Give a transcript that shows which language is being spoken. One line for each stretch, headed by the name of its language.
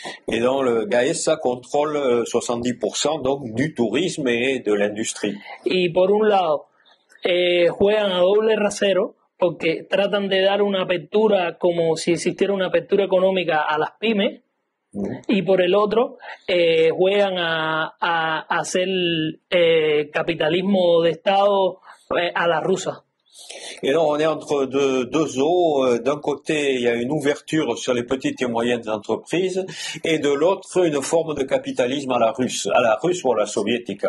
French: Et donc le Gaesa contrôle 70% donc du tourisme et de l'industrie.
Spanish: Y por un lado juegan a doble rasero, porque tratan de dar una apertura como si existiera una apertura económica a las pymes, y por el otro juegan a hacer capitalismo de Estado a la rusa.
French: Et donc on est entre deux eaux. D'un côté, il y a une ouverture sur les petites et moyennes entreprises, et de l'autre, une forme de capitalisme à la russe. À la russe ou à la soviétique?